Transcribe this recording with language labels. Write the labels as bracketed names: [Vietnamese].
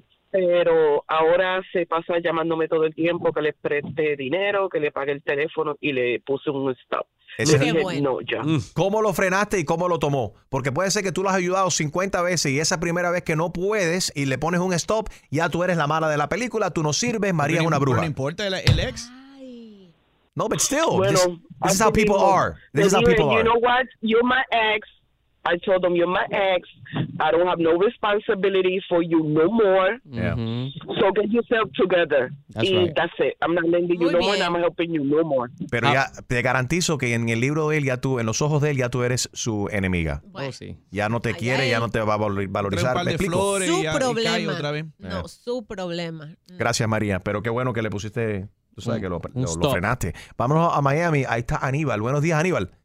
[Spanish] Pero ahora se pasa llamándome todo el tiempo que le preste dinero, que le pague el teléfono y le puse un stop. Ese dije, no, ya. ¿Cómo lo frenaste y cómo lo tomó? Porque puede ser que tú lo has ayudado 50 veces y esa primera vez que no puedes y le pones un stop, ya tú eres la mala de la película, tú no sirves, María es una bruja. No importa el ex. [English] No, but still, this is how people are. This is how people are. You know what? You're my ex. I told them, you're my ex. I don't have no responsibility for you no more. Yeah. So get yourself together. That's y right. That's it. I'm not lending you more and I'm helping you no more. [Spanish] Pero ya te garantizo que en el libro de él, ya tú, en los ojos de él, ya tú eres su enemiga. Oh, sí. Ya no te quiere, ya no te va a valorizar. Trae un par de flores y problema. Y cae otra vez. No, su problema. Gracias, María. Pero qué bueno que le pusiste, tú sabes que lo frenaste. Vámonos a Miami. Ahí está Aníbal. Buenos días, Aníbal.